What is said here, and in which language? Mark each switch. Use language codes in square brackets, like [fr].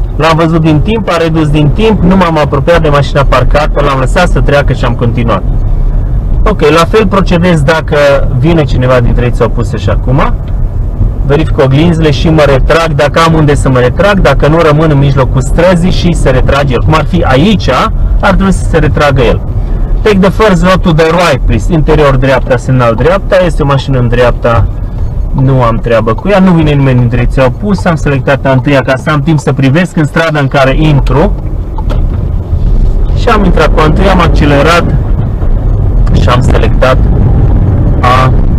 [ro] L-am văzut din timp, a redus din timp, nu m-am apropiat de mașina parcată, l-am lăsat să treacă și am continuat. Ok, la fel procedez dacă vine cineva din direcția opusă și acum. Verific oglinzile și mă retrag, dacă am unde să mă retrag, dacă nu rămân în mijlocul străzii și se retrage el. Cum ar fi aici, ar trebui să se retragă el. [en] Take the first road to the right, please. [ro] Interior dreapta, semnal dreapta, este o mașină în dreapta. Nu am treabă cu ea, nu vine nimeni în direcția opusă, am selectat a întâia ca să am timp să privesc în strada în care intru. Și am intrat cu a întâia, am accelerat și am selectat a